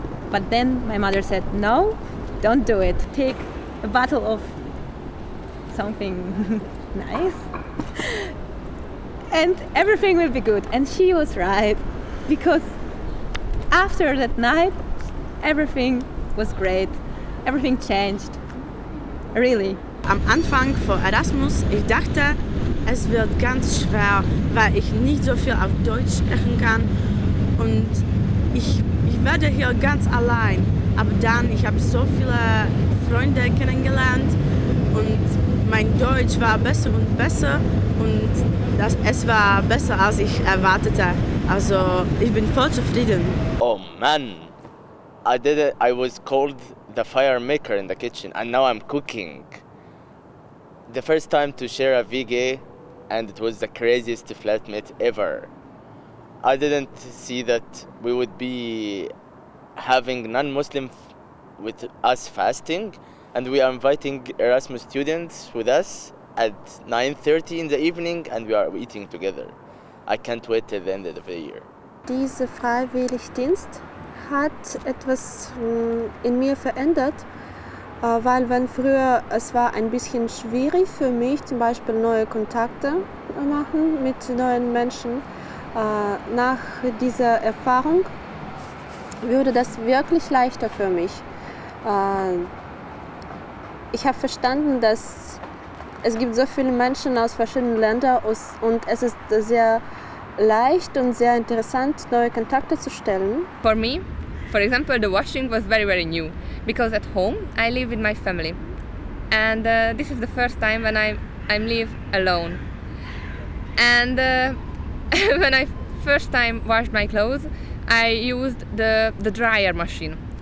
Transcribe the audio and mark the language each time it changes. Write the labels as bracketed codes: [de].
[en] But then my mother said, no, don't do it. Take a bottle of something nice and everything will be good. And she was right, because after that night, everything was great. Everything changed, really. [de] Am Anfang vor Erasmus, ich dachte, es wird ganz schwer, weil ich nicht so viel auf Deutsch sprechen kann und ich werde hier ganz allein. Aber dann, ich habe so viele Freunde kennengelernt und mein Deutsch war besser und besser und es war besser, als ich erwartete. Also, ich bin voll zufrieden. [en] Oh man, I did it. I was called the fire maker in the kitchen and now I'm cooking. The first time to share a VG, and it was the craziest flatmate ever. I didn't see that we would be having non-Muslim with us fasting, and we are inviting Erasmus students with us at 9:30 in the evening, and we are eating together. I can't wait till the end of the year. [de] Diese Freiwilligdienst hat etwas in mir verändert, Weil wenn früher es war ein bisschen schwierig für mich, zum Beispiel neue Kontakte machen mit neuen Menschen, nach dieser Erfahrung würde das wirklich leichter für mich. Ich habe verstanden, dass es gibt so viele Menschen aus verschiedenen Ländern und es ist sehr leicht und sehr interessant, neue Kontakte zu stellen. [en] For me, for example, the washing was very, very new. Because at home, I live with my family. And this is the first time when I'm live alone. And when I first time washed my clothes, I used the dryer machine.